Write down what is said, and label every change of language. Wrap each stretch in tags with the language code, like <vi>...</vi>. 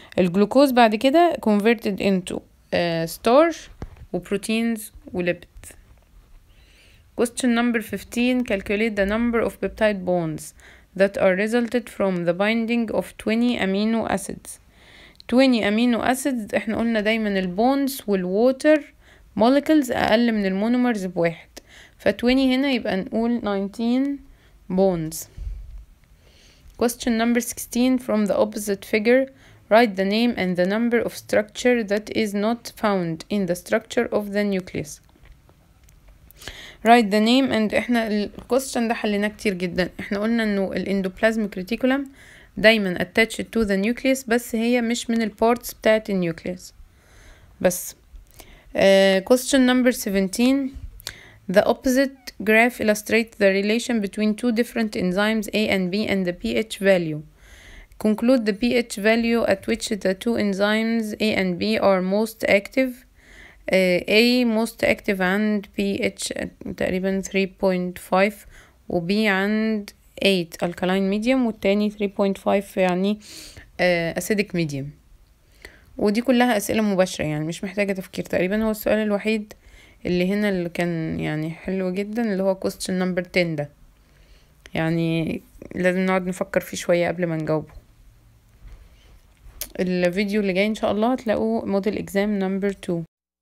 <ar>الجلوكوز بعد كده</ar> <en>converted into starch</en> <ar>وproteins ولبت.</ar> <en>question number 15 calculate the number of peptide bonds that are resulted from the binding of 20 amino acids. 20 amino acids</en> <ar>احنا قلنا دايما البونز والwater molecules اقل من المونومرز بواحد، فتويني هنا يبقى نقول</ar> <en>19 bonds. question number 16 from the opposite figure write the name and the number of structure that is not found in the structure of the nucleus. write the name and</en> <ar>احنا الquestion ده حلنا كتير جدا. احنا قلنا انه الendoplasmic reticulum دايما</ar> <en>attached to the nucleus،</en> <ar>بس هي مش من الparts بتاعت النيوكليس بس.</ar> <en>question number 17 the opposite graph illustrates the relation between two different enzymes A and B and the pH value. conclude the pH value at which the two enzymes A and B are most active. A most active and pH تقريبا 3.5 وB and 8 alkaline medium</en> <ar>والتاني 3.5 يعني</ar> <en>acidic medium.</en> <ar>ودي كلها أسئلة مباشرة يعني مش محتاجة تفكير. تقريبا هو السؤال الوحيد اللي هنا اللي كان يعني حلو جدا اللي هو</ar> <en>question number 10</en> <ar>ده، يعني لازم نقعد نفكر فيه شوية قبل ما نجاوبه. الفيديو اللي جاي ان شاء الله هتلاقوه</ar> <en>model exam number 2.</en>